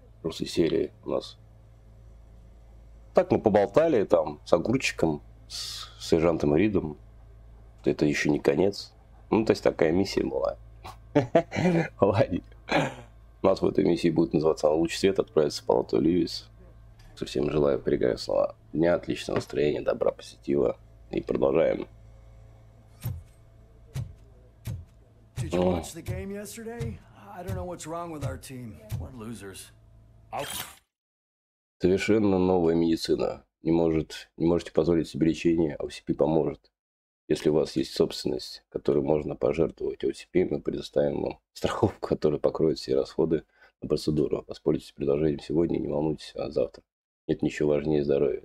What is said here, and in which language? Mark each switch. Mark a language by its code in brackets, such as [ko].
[ru] После серии у нас так мы поболтали там с огурчиком, с сержантом Ридом. Это еще не конец. Ну, то есть такая миссия была. Ладно. У нас в этой миссии будет называться «Луч света» отправиться в палату Ливис. Всем желаю прекрасного дня, отличного настроения, добра, позитива. И продолжаем. [en] Did you watch the game yesterday? I don't know what's wrong with our team. We're losers. [ru] Совершенно новая медицина. Не можете позволить себе лечение, OCP поможет. Если у вас есть собственность, которую можно пожертвовать OCP, мы предоставим вам страховку, которая покроет все расходы на процедуру. Воспользуйтесь предложением сегодня, не волнуйтесь, а завтра. Нет ничего важнее здоровья.